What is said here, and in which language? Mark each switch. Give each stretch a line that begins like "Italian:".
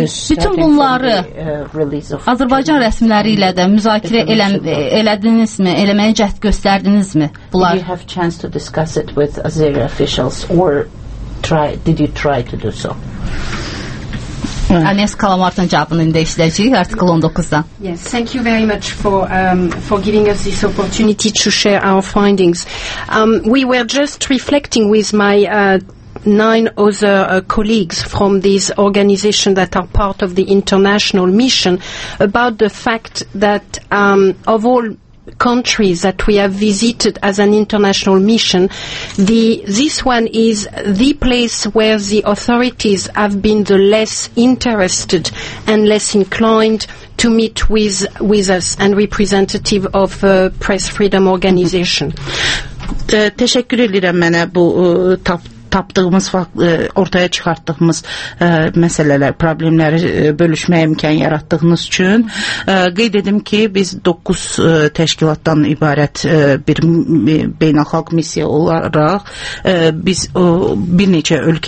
Azerbaijani: Bütün bunları Azərbaycan rəsmiləri ilə də müzakirə elədinizmi, eləməyə cəhd göstərdinizmi? Bunlar
English: You have chance to discuss it with Azeri officials or try did you try to do so?
Azerbaijani: Agnes Kalamart'ın cevabını indi işləyəcəyik artikl 19-dan.
English: Yes, thank you very much for giving us this opportunity to share our findings. We were just reflecting with my 9 other colleagues from these organizations that are part of the international mission about the fact that of all countries that we have visited as an international mission, this one is the place where the authorities have been the less interested and less inclined to meet with us and representative of press freedom organization.
Azerbaijani: Teşekkür ederim mənə bu tapdığımız, ortaya çıxartdığımız məsələlər, problemləri bölüşməyə imkan yaratdığınız üçün qeyd edim ki, biz 9 təşkilatdan ibarət bir beynəlxalq missiya olaraq biz bir neçə